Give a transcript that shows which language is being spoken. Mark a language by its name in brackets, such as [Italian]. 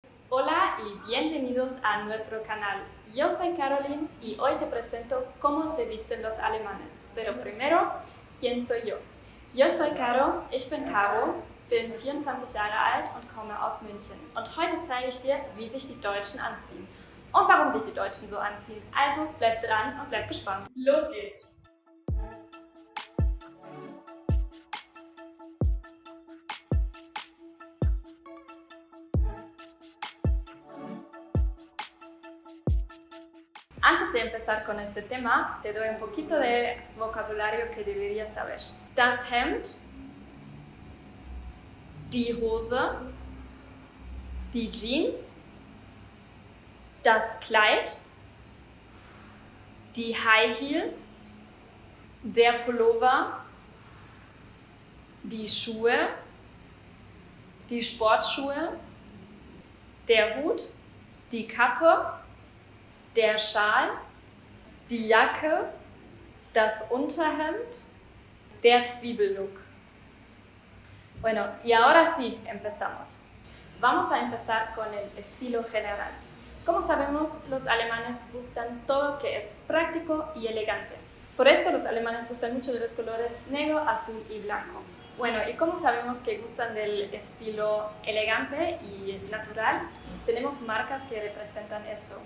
[Spanish] y bienvenidos a nuestro canal. Yo soy Caroline y hoy te presento cómo se visten los alemanes. Pero primero, ¿quién soy yo? Yo soy Caro, [German] ich bin Caro, bin 24 Jahre alt und komme aus München. Und heute zeige ich dir, wie sich die Deutschen anziehen und warum sich die Deutschen so anziehen. Also bleib dran und bleib gespannt. Los geht's! [Spanish] Antes de empezar con este tema, te doy un poquito de vocabulario que deberías saber. [German] Das Hemd, die Hose, die Jeans, das Kleid, die High Heels, der Pullover, die Schuhe, die Sportschuhe, der Hut, die Kappe, der Schal, die Jacke, das Unterhemd, der Zwiebellook. [Spanish] Bueno, y ahora sí, empezamos. Vamos a empezar con el estilo general. Como sabemos, los alemanes gustan todo que es práctico y elegante. Por eso los alemanes gustan mucho de los colores negro, azul y blanco. Bueno, y como sabemos que gustan del estilo elegante y natural, tenemos marcas que representan esto.